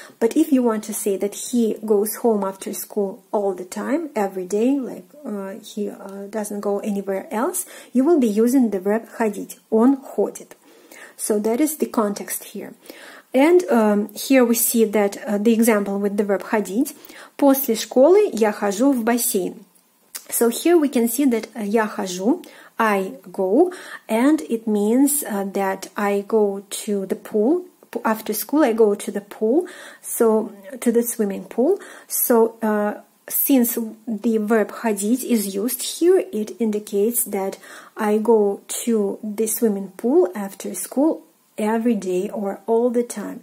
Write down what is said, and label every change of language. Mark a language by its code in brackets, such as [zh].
[en] But if you want to say that he goes home after school all the time, every day, like he doesn't go anywhere else, you will be using the verb ходить, [ru] он ходит. [en] So that is the context here. And here we see that the example with the verb ходить. [ru] После школы я хожу в бассейн. [en] So here we can see that [ru] я хожу, [en] I go, and it means that I go to the pool. After school, I go to the pool, so to the swimming pool. So since the verb ходить is used here, it indicates that I go to the swimming pool after school every day or all the time.